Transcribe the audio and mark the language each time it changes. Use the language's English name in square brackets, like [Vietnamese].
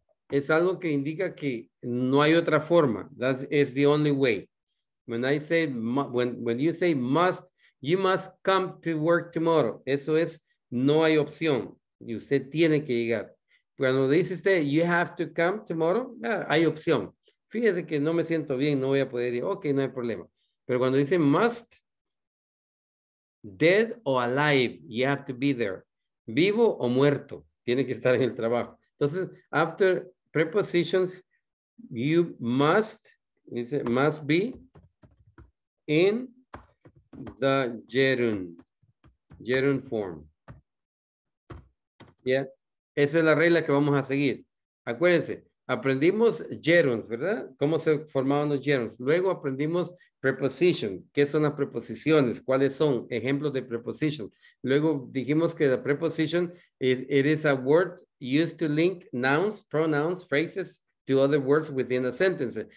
[Spanish] Es algo que indica que no hay otra forma. [English] That is the only way. When I say, when you say must, you must come to work tomorrow. [Spanish] Eso es, no hay opción. Y usted tiene que llegar. Cuando dice usted, [English] you have to come tomorrow, yeah, [Spanish] hay opción. Fíjese que no me siento bien, no voy a poder ir. Ok, no hay problema. Pero cuando dice must, [English] dead or alive, you have to be there. [Spanish] Vivo o muerto, tiene que estar en el trabajo. [English] Entonces, after prepositions, you must, dice, must be in the gerund form. Yeah. [Spanish] Esa es la regla que vamos a seguir. Acuérdense, aprendimos gerunds, ¿verdad? ¿Cómo se formaban los gerunds? Luego aprendimos preposition. ¿Qué son las preposiciones? ¿Cuáles son ejemplos de preposition? Luego dijimos que la [English] preposition is, it is a word used to link nouns, pronouns, phrases to other words within a sentence.